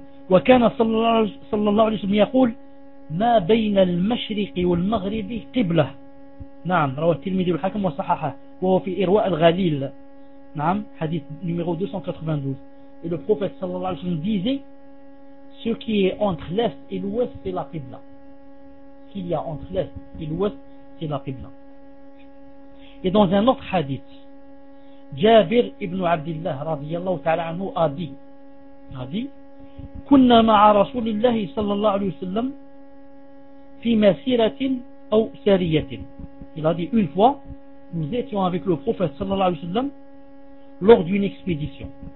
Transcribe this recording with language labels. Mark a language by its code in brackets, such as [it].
[ar] وكان صلى الله عليه وسلم يقول ما بين المشرق والمغرب قبلة. نعم روى الترمذي والحاكم وصححه وهو في إرواء الغليل. نعم حديث [fr] numéro 292. Et le prophète صلى الله عليه وسلم disait ce qui est entre l'est et l'ouest c'est la qibla. Ce qu'il y a entre l'est et l'ouest c'est la qibla. Et dans un autre hadith, [ar] جابر ابن عبد الله رضي الله تعالى عنه أبي كنا مع رسول الله صلى الله عليه وسلم في مسيرة أو سارية. [fr] Il a dit une fois nous étions avec le prophète صلى الله عليه وسلم lors d'une expédition.